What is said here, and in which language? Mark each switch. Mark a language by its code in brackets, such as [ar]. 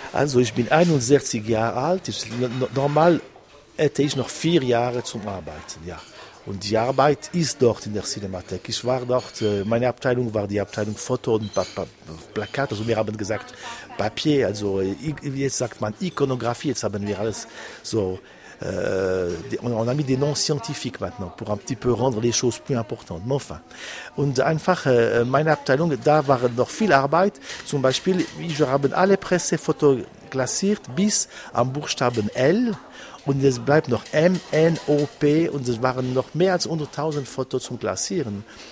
[de] Also ich bin 61 Jahre alt. Normal hätte ich noch 4 Jahre zum Arbeiten. Ja. Und die Arbeit ist dort in der Cinémathèque. Ich war dort, meine Abteilung war die Abteilung Foto und Plakat. Also wir haben gesagt Papier, also jetzt sagt man Ikonografie. Jetzt haben wir alles so, [fr] on a mis des noms scientifiques maintenant, pour un petit peu rendre les choses plus importantes. Mais enfin, [de] und einfach meine Abteilung, da war noch viel Arbeit. Zum Beispiel, wir haben alle Presse Foto klassiert bis am Buchstaben L. Und es bleibt noch M, N, O, P, und es waren noch mehr als 100.000 Fotos zum Klassieren.